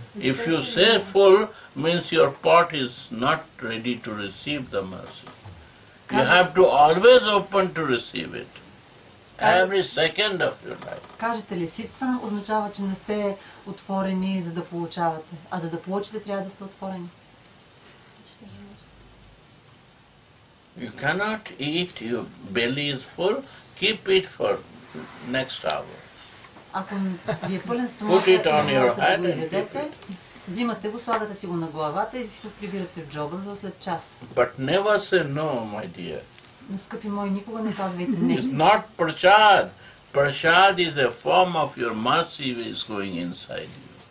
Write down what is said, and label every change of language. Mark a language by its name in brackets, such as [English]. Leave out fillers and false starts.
[English] If you say full, means your pot is not ready to receive the mercy. You have to always open to receive it. Every second of your life. [Bulgarian] Кажете ли сит съм, означава, че не сте отворени, за да получавате. А за да получите, трябва да сте отворени. [English] You cannot eat, your belly is full, keep it for next hour. [Bulgarian] Ако ви е пълен стомах, [English] put it on your head and [Bulgarian] взимате го, слагате си го на главата и си го прибирате в джоба за след час. [English] But never say no, my dear. [Bulgarian] Но, скъпи мои, никога не казвайте не. [English] It's not prasad. Prasad is a form of your mercy which is going inside you.